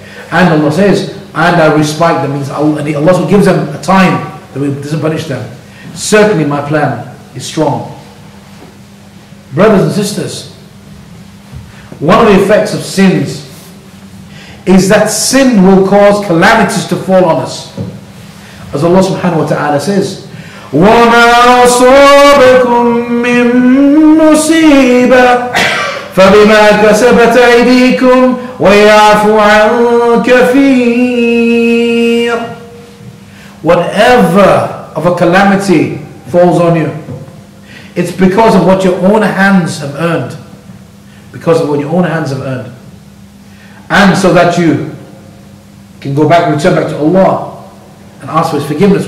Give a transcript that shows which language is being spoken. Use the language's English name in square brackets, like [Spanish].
[English] And Allah says, and I respite them, means Allah gives them a time that we doesn't punish them. Certainly my plan is strong. Brothers and sisters, one of the effects of sins is that sin will cause calamities to fall on us. [Arabic] As Allah subhanahu wa ta'ala says, وَمَا أَصَابَكُم مِّن مُّصِيبَةٍ فبما كسبت أيديكم ويعفو عن كثير. [English] Whatever of a calamity falls on you, it's because of what your own hands have earned. Because of what your own hands have earned. And so that you can go back, return back to Allah and ask for His forgiveness.